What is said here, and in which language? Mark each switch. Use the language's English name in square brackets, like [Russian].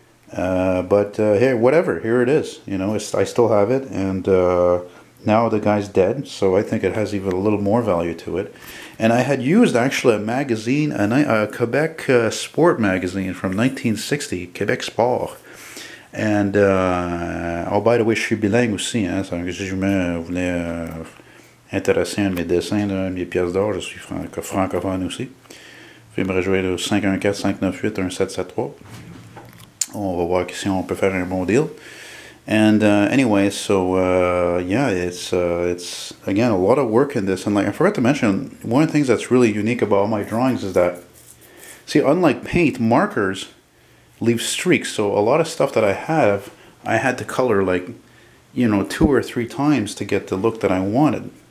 [English] But hey, whatever, here it is. You know, I still have it. And now the guy's dead, so I think it has even a little more value to it. And I had used, actually, a magazine, a Quebec sport magazine from 1960, Quebec Sport. And, oh, by the way, [French] je suis bilingue aussi, hein, ça veut dire que je voulais intéresser à mes dessins, là, mes pièces d'or, je suis francophone aussi. Je me rejoindre au 514-598-1773. On va voir si on peut faire un bon deal. [English] And anyway, so yeah, it's again a lot of work in this. And like I forgot to mention, one of the things that's really unique about all my drawings is that, see, unlike paint, markers leave streaks. So a lot of stuff that I have, I had to color like, you know, two or three times to get the look that I wanted.